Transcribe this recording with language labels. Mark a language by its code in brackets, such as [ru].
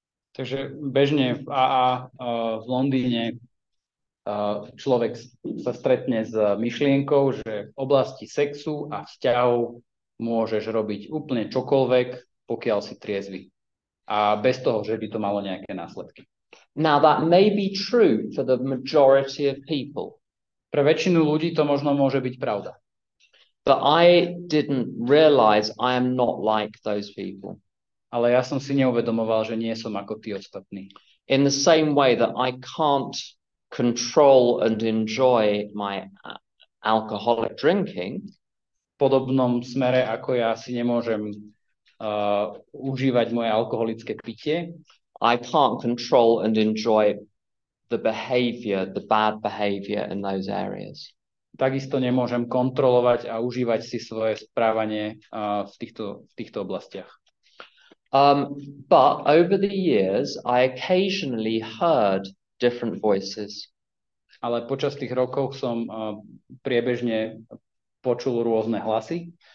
[sk] Takže bežne v AA v Londýne človek sa stretne s myšlienkou, že v oblasti sexu a vzťahu môžeš robiť úplne čokoľvek, pokiaľ si triezvy. A bez toho, že by to malo nejaké následky. [en] Now that may be true for the majority of people. [sk] Pre väčšinu ľudí to možno môže byť pravda. [en] But I didn't realize I am not like those people. [sk] Ale ja som si neuvedomoval, že nie som ako tí ostatní. [en] In the same way that I can't control and enjoy my alcoholic drinking. [sk] V podobnom smere, ako ja si nemôžem užívať moje alkoholické pitie. [en] I can't control and enjoy the behavior, the bad behavior in those areas. [sk] Takisto nemôžem kontrolovať a užívať si svoje správanie v týchto oblastiach. [en] But over the years I occasionally heard different voices. [sk] Ale počas tých rokov som priebežne počul rôzne hlasy.